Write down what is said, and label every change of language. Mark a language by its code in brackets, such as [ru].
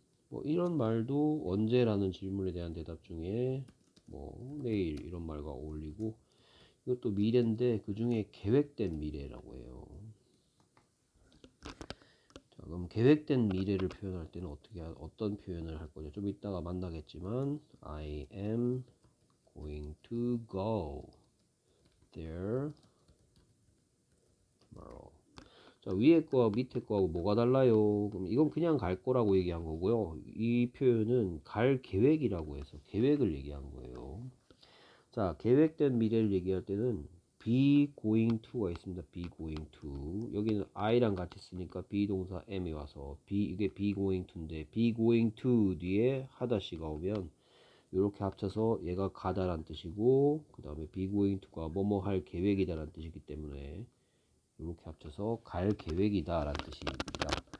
[ko] 뭐 이런 말도 언제라는 질문에 대한 대답 중에 뭐 내일 이런 말과 어울리고 이것도 미래인데 그중에 계획된 미래라고 해요. 자, 그럼 계획된 미래를 표현할 때는 어떤 표현을 할 거냐? 좀 이따가 만나겠지만 [en] I am going to go there tomorrow. [ko] 자, 위에 거하고 밑에 거하고 뭐가 달라요? 그럼 이건 그냥 갈 거라고 얘기한 거고요. 이 표현은 갈 계획이라고 해서 계획을 얘기한 거예요. 자, 계획된 미래를 얘기할 때는 be going to가 있습니다. [en] be going to. [ko] 여기는 I랑 같이 쓰니까 be 동사 am이 와서 이게 be going to인데 be going to 뒤에 하다시가 오면 이렇게 합쳐서 얘가 가다란 뜻이고 그 다음에 be going to가 뭐뭐 할 계획이다란 뜻이기 때문에 이렇게 합쳐서 갈 계획이다 라는 뜻입니다.